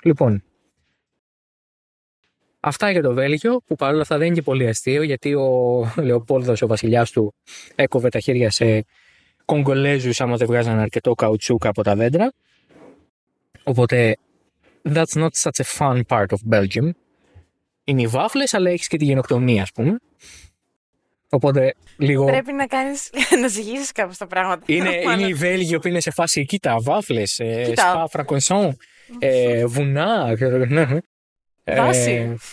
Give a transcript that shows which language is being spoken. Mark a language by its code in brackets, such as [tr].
[el] Λοιπόν, αυτά για το Βέλγιο, που παρόλα αυτά δεν είναι και πολύ αστείο, γιατί ο Λεοπόλδος, ο βασιλιάς του, έκοβε τα χέρια σε Κογκολέζους άμα δεν βγάζανε αρκετό καουτσούκ από τα δέντρα. [en] Οπότε, that's not such a fun part of Belgium. [el] Είναι οι βάφλες, αλλά έχεις και τη γενοκτονία, ας πούμε. Οπότε λίγο... Πρέπει να κάνεις, να ζυγίσεις κάπως τα πράγματα. Είναι οι Βέλγοι που είναι σε φάση, κοίτα, βάφλες, σπα φρακονσόν, βουνά, δάση.